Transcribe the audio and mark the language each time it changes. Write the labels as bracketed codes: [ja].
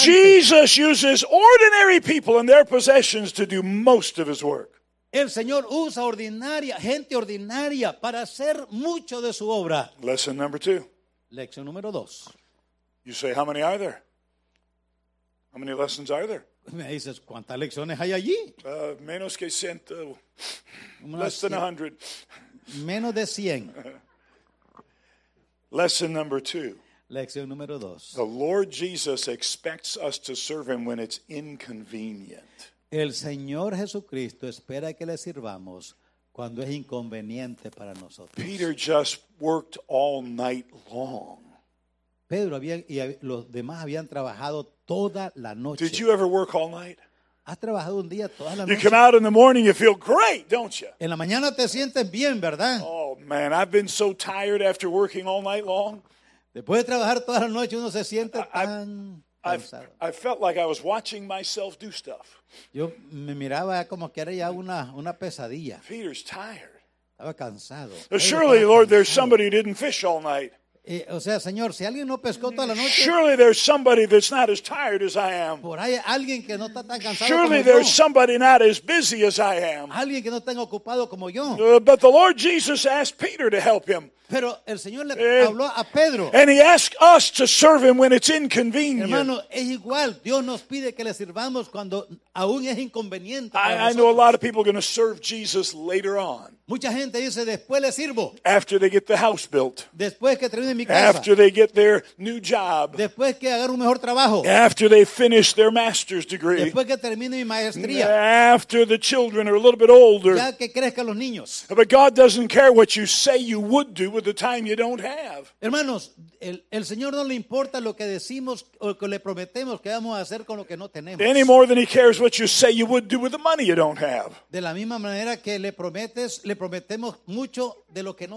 [en] Jesus uses ordinary people and their possessions to do most of his work. [es] El Señor usa ordinaria, gente ordinaria para hacer mucho de su obra. [en] Lesson number two. [es] Lección número dos. [en] You say, how many are there? How many lessons are there? [es] Me dices, ¿cuántas lecciones hay allí? Menos que 100. [en] Less than 100. [es] Menos de 100. [en] Lesson number two. [es] Lección número dos. [en] The Lord Jesus expects us to serve him when it's inconvenient. [es] El Señor Jesucristo espera que le sirvamos cuando es inconveniente para nosotros. [en] Peter just worked all night long. [es] Pedro había y los demás habían trabajado toda la noche. [en] Did you ever work all night? [es] ¿Has trabajado un día toda la noche? [en] You come out in the morning, you feel great, don't you? [es] En la mañana te sientes bien, ¿verdad? [en] Oh man, I've been so tired after working all night long. [es] Después de trabajar toda la noche uno se siente tan [en] I felt like I was watching myself do stuff. [es] Yo me miraba como que era ya una pesadilla. [en] Peter's tired. [es] Estaba cansado. [en] Surely, Lord, there's somebody who didn't fish all night. [es] O sea, Señor, si alguien no pescó toda la noche. [en] Surely there's somebody that's not as tired as I am. [es] Por ahí alguien que no está tan cansado. [en] Surely there's [es] yo. [en] Somebody not as busy as I am. [es] Alguien que no está ocupado como yo. [en] But the Lord Jesus asked Peter to help him. [es] Pero el Señor le habló a Pedro. [en] And he asked us to serve him when it's inconvenient. [es] Hermano, es igual. Dios nos pide que le sirvamos cuando aún es inconveniente. [en] I know a lot of people are going to serve Jesus later on. [es] Mucha gente dice, después le sirvo. [en] After they get the house built. [es] Después que termine mi casa. [en] After they get their new job. [es] Después que agarre un mejor trabajo. [en] After they finish their master's degree. [es] Después que termine mi maestría. [en] After the children are a little bit older. [es] Ya que crezcan los niños. [en] But God doesn't care what you say you would do with the time you don't have. [es] Hermanos, el Señor no le importa lo que decimos o que le prometemos que vamos a hacer con lo que no tenemos. [en] Any more than he cares what you say you would do with the money you don't have. [es] De la misma manera que le prometes, le prometemos mucho de lo que no